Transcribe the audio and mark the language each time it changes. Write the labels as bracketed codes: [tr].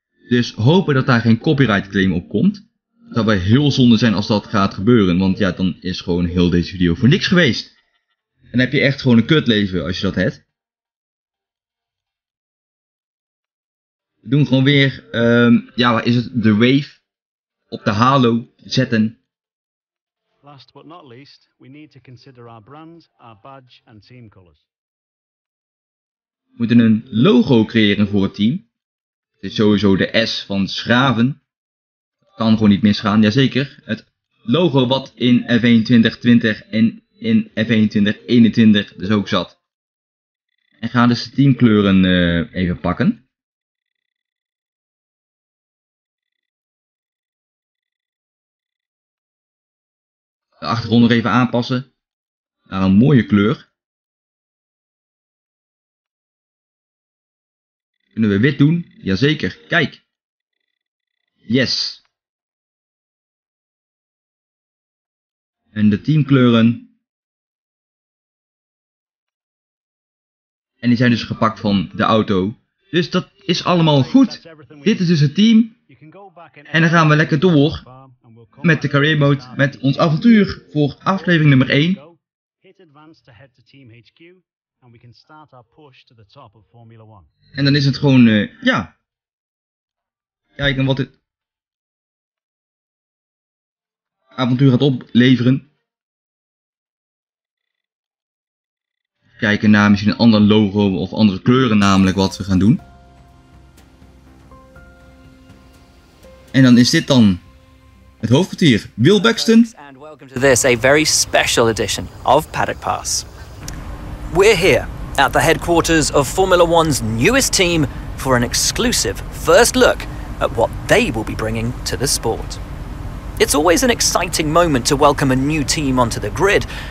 [nl] Dus hopen dat daar geen copyright claim op komt. Dat zou wel heel zonde zijn als dat gaat gebeuren. Want ja, dan is gewoon heel deze video voor niks geweest. En dan heb je echt gewoon een kutleven als je dat hebt. We doen gewoon weer, waar is het? De Wave op de Halo zetten. [en] Last but not least, we need to consider our brand, our badge and team colors. [nl] We moeten een logo creëren voor het team. Het is sowieso de S van Schraven. Dat kan gewoon niet misgaan, jazeker. Het logo wat in F2020 en in F2021 dus ook zat. En ga dus de teamkleuren even pakken. De achtergrond nog even aanpassen naar een mooie kleur. Kunnen we wit doen? Jazeker, kijk. Yes. En de teamkleuren. En die zijn dus gepakt van de auto. Dus dat is allemaal goed. Dit is dus het team. En dan gaan we lekker door. Met de career mode. Met ons avontuur voor aflevering nummer 1. [en] Hit advance to head to team HQ. And we can start our push to the top of Formula 1. [nl] En dan is het gewoon, kijken wat het avontuur gaat opleveren. Kijken naar misschien een ander logo of andere kleuren namelijk wat we gaan doen. En dan is dit dan het hoofdkwartier, Will Buxton. [en] And welcome to this, a very special edition of Paddock Pass. We're here at the headquarters of Formula One's newest team for an exclusive first look at what they will be bringing to the sport. It's always an exciting moment to welcome a new team onto the grid.